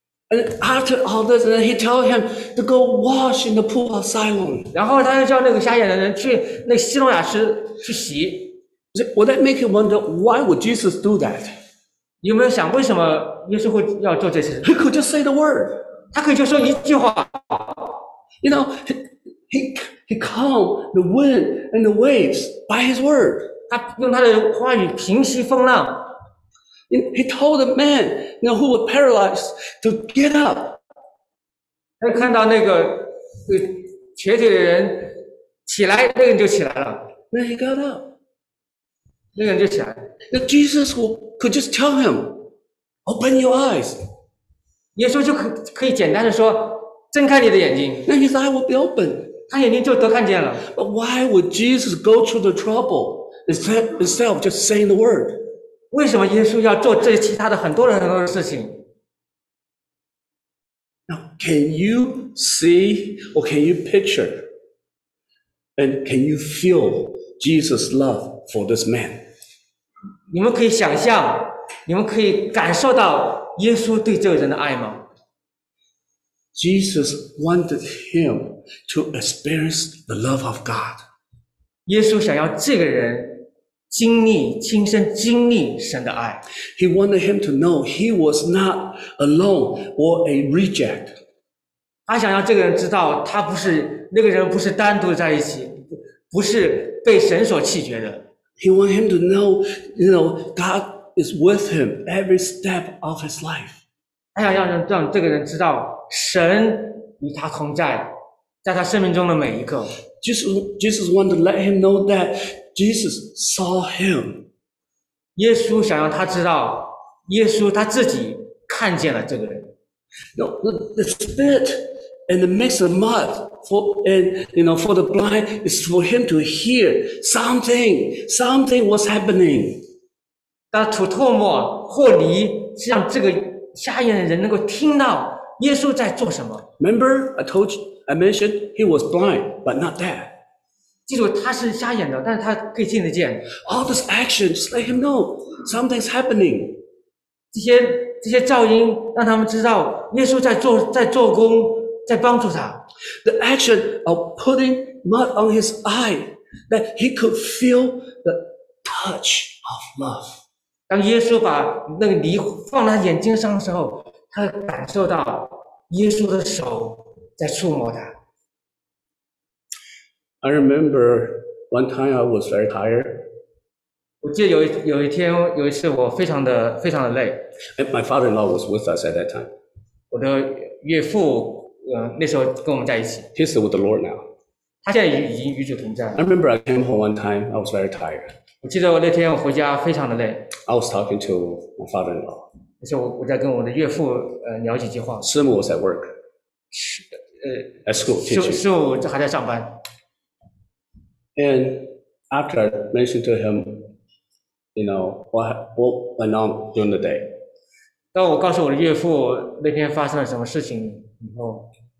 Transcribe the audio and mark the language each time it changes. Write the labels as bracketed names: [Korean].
[English] And after all this, then he told him to go wash in the pool of Siloam. [Chinese] 然后他就叫那个瞎眼的人去那希诺亚池去洗。 [English] Would that make you wonder why would Jesus do that? [Chinese] 有没有想为什么耶稣会要做这些事？ [English] He could just say the word. [Chinese] 他可以就说一句话。 [English] You know, he calmed the wind and the waves by his word. [Chinese] 他用他的话语平息风浪。 [English] He told the man, you know, who was paralyzed to get up. [Chinese] 他看到那个瘸腿的人起来，那个人就起来了。 [English] Then he got up. [Chinese] 那个人就起来了。 [English] Jesus could just tell him, open your eyes. [Chinese] 耶稣就可以简单的说，睁开你的眼睛。 [English] Then his eye will be open. [Chinese] 他眼睛就得看见了。 [English] But why would Jesus go through the trouble instead of just saying the word? [Chinese] 为什么耶稣要做这其他的很多人很多的事情？ [English] Now, can you see or can you picture and can you feel Jesus' love? For this man, [Chinese] 你们可以想象，你们可以感受到耶稣对这个人的爱吗 [English] ？Jesus wanted him to experience the love of God. [Chinese] 耶稣想要这个人亲身经历神的爱。 [English] He wanted him to know he was not alone or a reject. [Chinese] 他想要这个人知道，他不是那个人，不是单独在一起，不是被神所弃绝的。 [English] He wants him to know, you know, God is with him every step of his life. [Chinese] 他想让这个人知道，神与他同在，在他生命中的每一个。 [English] Jesus wanted to let him know that Jesus saw him. [Chinese] 耶稣想让他知道，耶稣他自己看见了这个人。 [English] No, the spit and the mix of mud for the blind is for him to hear something was happening. [Chinese] 那吐唾沫或泥是让这个瞎眼的人能够听到耶稣在做什么。 [English] Remember, I mentioned he was blind, but not deaf. [Chinese] 记住他是瞎眼的，但是他可以听得见。 [English] All this action just let him know something's happening. [Chinese] 这些噪音让他们知道耶稣在做工，在帮助他。 [English] The action of putting mud on his eye, that he could feel the touch of love. [Chinese] 当耶稣把那个泥放在眼睛上的时候，他感受到耶稣的手在触摸他。 [English] I remember one time I was very tired. [Chinese] 我记得有一次我非常的累。 [English] And my father-in-law was with us at that time. [Chinese] 我的岳父那时候跟我们在一起。 [English] He's with the Lord now. [Chinese] 他现在已经与主同在。 [English] I remember I came home one time, I was very tired. [Chinese] 我记得我那天我回家非常的累。 [English] I was talking to my father-in-law. [Chinese] 那时候我在跟我的岳父聊几句话。 [English] 师母 was at work. At school, teaching. [Chinese] 师父还在上班。 [English] And after I mentioned to him, you know, what went on during the day. [Chinese] 当我告诉我的岳父那天发生了什么事情以后。